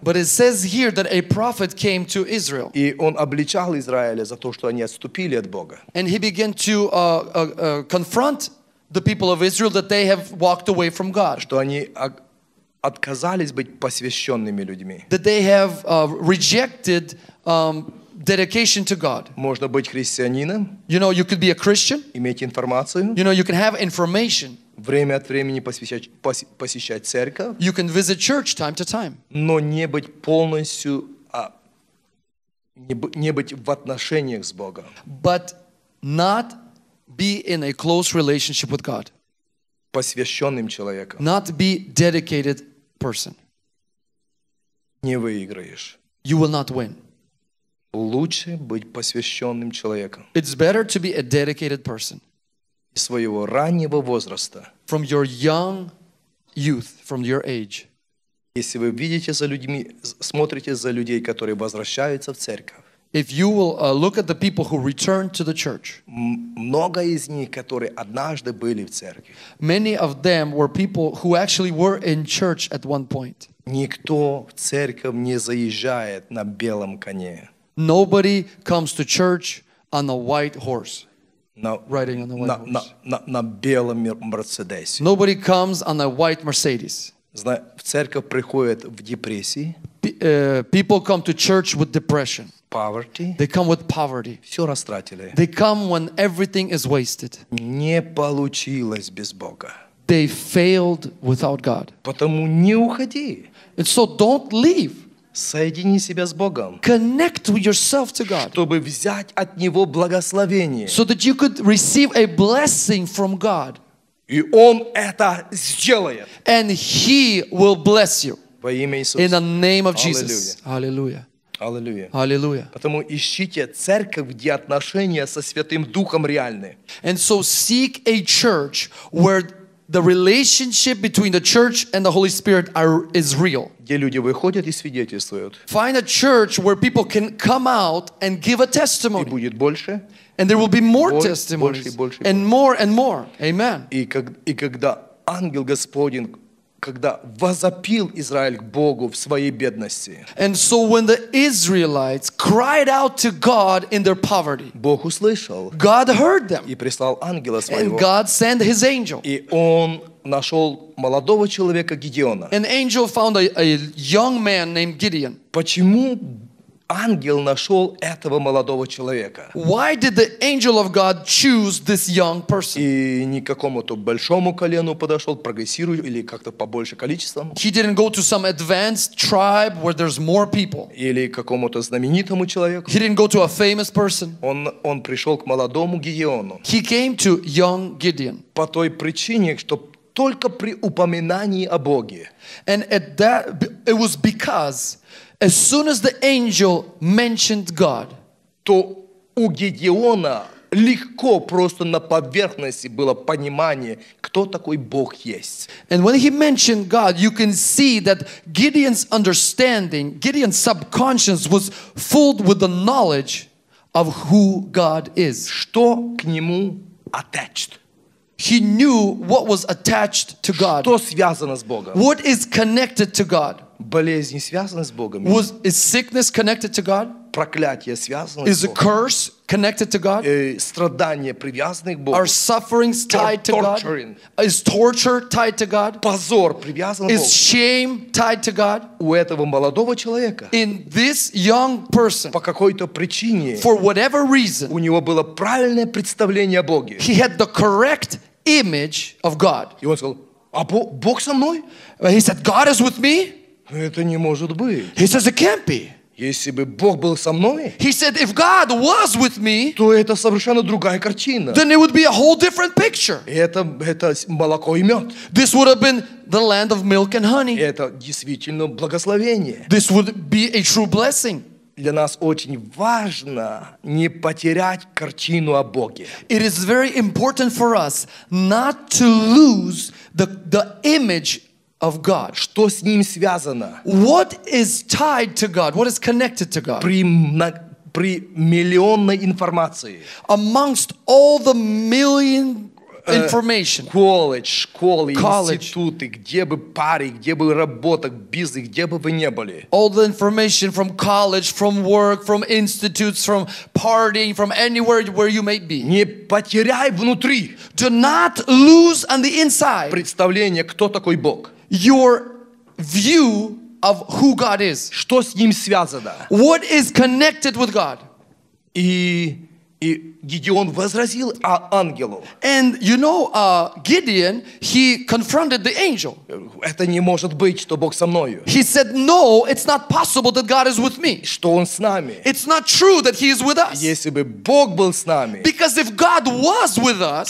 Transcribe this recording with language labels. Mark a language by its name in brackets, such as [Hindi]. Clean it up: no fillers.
[English] But it says here that a prophet came to Israel. [Russian] И он обличал Израиля за то, что они отступили от Бога. [English] And he began to confront the people of Israel that they have walked away from God. [Russian] Что они отказались быть посвященными людьми. [English] That they have rejected dedication to God. [Russian] Можно быть христианином. [English] You know, you could be a Christian. [Russian] Иметь информацию. [English] You know, you can have information. [Russian] Время от времени посещать церковь. [English] You can visit church time to time. [Russian] Но не быть полностью, не быть в отношениях с Богом. [English] But not be in a close relationship with God. [Russian] Посвященным человеком. [English] Not be dedicated person. [Russian] Не выиграешь. [English] You will not win. [Russian] Лучше быть посвященным человеком. [English] It's better to be a dedicated person. [Russian] Из своего раннего возраста. [English] From your young youth, from your age. [Russian] Если вы видите за людьми, смотрите за людей, которые возвращаются в церковь. [English] If you will look at the people who return to the church. [Russian] Много из них, которые однажды были в церкви. [English] Many of them were people who actually were in church at one point. [Russian] Никто в церковь не заезжает на белом коне. [English] Nobody comes to church on a white horse. [Russian] На белом Мерседесе. [English] Nobody comes on a white Mercedes. [Russian] В церковь приходят в депрессии. [English] People come to church with depression. Poverty. They come with poverty. [Russian] Все растратили. [English] They come when everything is wasted. [Russian] Не получилось без Бога. [English] They failed without God. [Russian] Потому не уходи. [English] And so don't leave. [Russian] Соедини себя с Богом. [English] Connect with yourself to God. [Russian] Чтобы взять от Него благословение. [English] So that you could receive a blessing from God. [Russian] И Он это сделает. [English] And He will bless you. [Russian] Во имя Иисуса. [English] In the name of Hallelujah. Jesus. Hallelujah. [Russian] Аллилуйя. Аллилуйя. Потому ищите церковь, где отношения со Святым Духом реальны. [English] And so seek a church where the relationship between the church and the Holy Spirit is real. [Russian] Где люди выходят и свидетельствуют. [English] Find a church where people can come out and give a testimony. [Russian] И будет больше. [English] And there will be more testimonies. [Russian] Больше. [English] And more and more. Amen. [Russian] И когда ангел Господень когда возопил Израиль к Богу в своей бедности. [English] And so when the Israelites cried out to God in their poverty, [Russian] Бог услышал. [English] God heard them. [Russian] И прислал ангела своего. [English] And God sent his angel. [Russian] И он нашел молодого человека Гидеона. [English] An angel found a young man named Gideon. [Russian] Почему ангел нашел этого молодого человека? [English] Why did the angel of God choose this young person? [Russian] И не к какому-то большому колену подошел, прогрессирует или как-то побольше количеством. [English] He didn't go to some advanced tribe where there's more people. [Russian] Или к какому-то знаменитому человеку. [English] He didn't go to a famous person. [Russian] Он пришел к молодому Гидеону. [English] He came to young Gideon. [Russian] По той причине, что только при упоминании о Боге. [English] And at that, it was because as soon as the angel mentioned God, [Russian] то у Гедеона легко просто на поверхности было понимание, кто такой Бог есть. [English] And when he mentioned God, you can see that Gideon's understanding, Gideon's subconscious was filled with the knowledge of who God is. [Russian] Что к нему [English] attached? He knew what was attached to God. [Russian] Что связано с Богом? [English] What is connected to God? [Russian] Болезнь связана с Богом? [English] Was, is sickness connected to God? [Russian] Проклятие связано [English] is [Russian] с Богом? [English] Is a curse connected to God? [Russian] Страдания привязаны к Богу? [English] Are sufferings tied to God? Torturing. Is torture tied to God? [Russian] Позор привязан к Богу? [English] Is shame tied to God? [Russian] У этого молодого человека? [English] In this young person. [Russian] По какой-то причине? [English] For whatever reason. [Russian] У него было правильное представление о Боге? [English] He had the correct image of God. [Russian] И он сказал, а Бог со мной? [English] He said, God is with me? [Russian] Это не может быть. [English] He says, it can't be. [Russian] Если бы Бог был со мной, [English] he said, if God was with me, [Russian] то это совершенно другая картина. [English] Then it would be a whole different picture. [Russian] Это молоко и мед. [English] This would have been the land of milk and honey. [Russian] Это действительно благословение. [English] This would be a true blessing. [Russian] Для нас очень важно не потерять картину о Боге. [English] It is very important for us not to lose the image of God. [Russian] Что с ним связано? [English] What is tied to God? What is connected to God? [Russian] При миллионной информации. [English] Amongst all the million information. [Russian] College, школы, college, институты, где бы пары, где бы работа, бизнес, где бы вы не были. [English] All the information from college, from work, from institutes, from partying, from anywhere where you may be. [Russian] Не потеряй внутри. [English] Do not lose on the inside. [Russian] Представление, кто такой Бог. [English] Your view of who God is. [Russian] Что с ним связано? [English] What is connected with God? [Russian] И И Гедеон возразил ангелу. [English] And you know, Gideon, he confronted the angel. [Russian] Это не может быть, что Бог со мною. [English] He said, no, it's not possible that God is with me. [Russian] Что он с нами. [English] It's not true that he is with us. [Russian] Если бы Бог был с нами. [English] Because if God was with us.